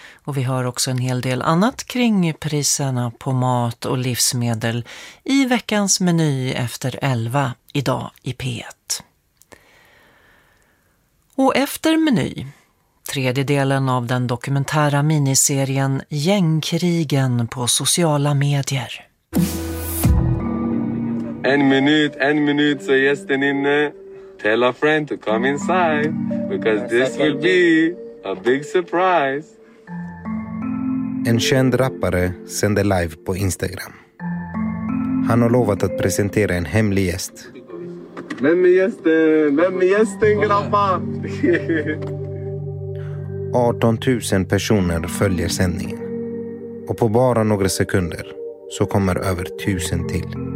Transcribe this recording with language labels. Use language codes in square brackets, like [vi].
[sv] Och vi hör också en hel del annat kring priserna på mat och livsmedel i veckans meny efter 11 idag i P1. Och efter meny, tredje delen av den dokumentära miniserien Gängkrigen på sociala medier. En minut så gästen inne. [en] Tell a friend to come inside, because this will be a big surprise. [sv] En känd rappare sände live på Instagram. Han har lovat att presentera en hemlig gäst. Vem är gästen? Vem är gästen, grabbar? 18 000 personer följer sändningen. Och på bara några sekunder så kommer över 1000 till.